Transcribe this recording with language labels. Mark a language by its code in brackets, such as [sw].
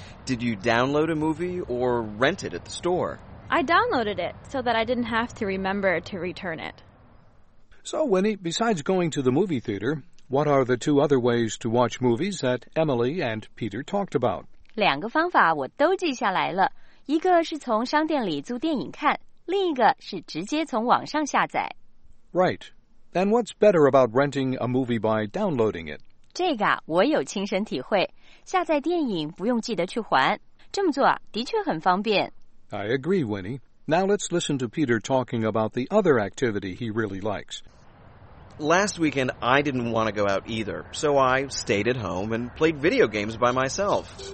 [en] Did you download a movie or rent it at the store? I downloaded it so that I didn't have to remember to return it. So, Winnie, besides going to the movie theater, what are the two other ways to watch movies that Emily and Peter talked about? [zh] 两个方法我都记下来了。一个是从商店里租电影看，另一个是直接从网上下载。 [en] Right. And what's better about renting a movie by downloading it? [zh] 这个啊，我有亲身体会。下载电影不用记得去还。这么做啊，的确很方便。 [en] I agree, Winnie. Now let's listen to Peter talking about the other activity he really likes. Last weekend, I didn't want to go out either, so I stayed at home and played video games by myself.